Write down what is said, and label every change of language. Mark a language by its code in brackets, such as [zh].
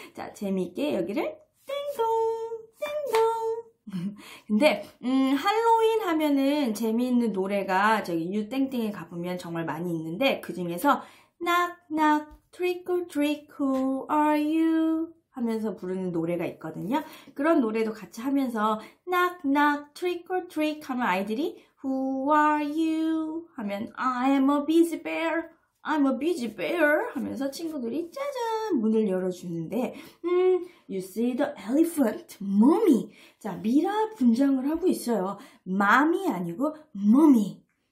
[ko] 자, 재미있게 여기를 띵동! 띵동! 근데 할로윈 하면은 재미있는 노래가 저기 유땡땡에 가보면 정말 많이 있는데 그 중에서 [en] knock knock, trick or trick, who are you? [ko] 하면서 부르는 노래가 있거든요. 그런 노래도 같이 하면서 [en] knock knock, trick or trick [ko] 하면 아이들이 [en] Who are you? [ko] 하면 [en] I'm a busy bear. I'm a busy bear. [ko] 하면서 친구들이 짜잔 문을 열어주는데 [en] You see the elephant, mommy. [ko] 자, 미라 분장을 하고 있어요. 맘이 아니고 mommy.